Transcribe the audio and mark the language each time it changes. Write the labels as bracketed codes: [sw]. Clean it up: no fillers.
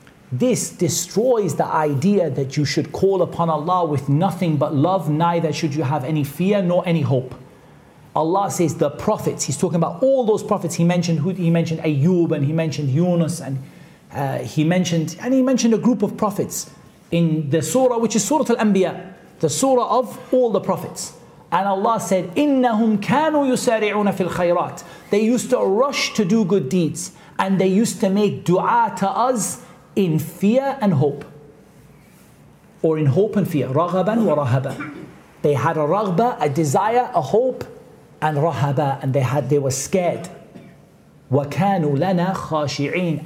[en] This destroys the idea that you should call upon Allah with nothing but love, neither should you have any fear nor any hope. Allah says the prophets, He's talking about all those prophets He mentioned, Ayyub and He mentioned Yunus and he mentioned a group of prophets in the surah, which is Surah Al-Anbiya, the surah of all the prophets. And Allah said, [ar] إِنَّهُمْ كَانُوا يُسَارِعُونَ فِي الْخَيْرَاتِ. [en] They used to rush to do good deeds. And they used to make dua to us in fear and hope. Or in hope and fear. [ar] رَغَبًا وَرَهَبًا. [en] They had a raghba, a desire, a hope, and rahaba. And they were scared. [ar] وَكَانُوا لَنَا خَاشِعِينَ.